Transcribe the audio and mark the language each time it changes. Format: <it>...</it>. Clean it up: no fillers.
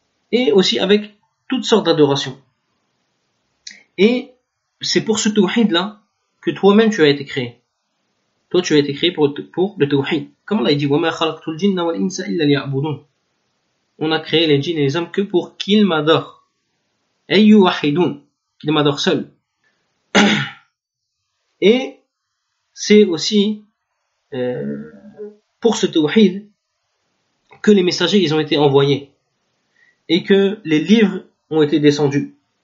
<fr>Et aussi avec toutes sortes d'adorations. Et c'est pour ce Tawhid-là que toi-même tu as été créé. Toi tu as été créé pour le tawhid.</fr> <ar>Comme Allah dit, وَمَا خَلَقْتُ الْجِنَّ وَالْإِنْسَ إِلَّا لِيَعْبُدُونَ.</ar> <fr>On a créé les djinns et les hommes que pour qu'ils m'adorent. أَيُّ وَحِدُونَ. Qu'ils m'adorent seul. Et c'est aussi pour ce tawhid que les messagers ils ont été envoyés. Et que les livres ont été descendus.</fr>